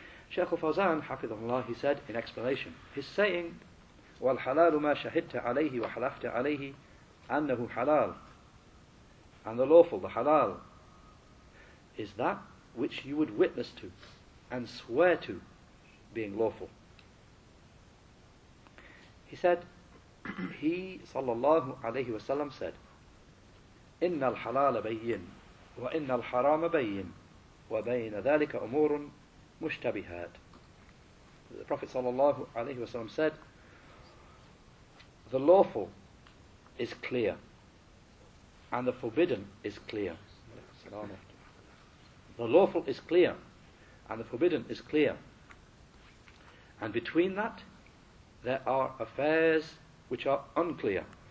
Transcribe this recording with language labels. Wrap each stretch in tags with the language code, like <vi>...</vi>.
<en>Shaykh al-Fawzan, hafidhullah, he said in explanation, he's saying,</en> <ar>والحلال ما شهدت عليه وحلفت عليه أنه حلال.</ar> <en>And the lawful, the halal, is that which you would witness to and swear to being lawful. He said, he, sallallahu alayhi wa sallam, said,</en> <ar>إن الحلال بين وإن الحرام بين وبين ذلك أمور مشتبهات.</ar> <en>The Prophet sallallahu alayhi wa sallam said, the lawful is clear and the forbidden is clear. The lawful is clear and the forbidden is clear. And between that, there are affairs which are unclear.</en>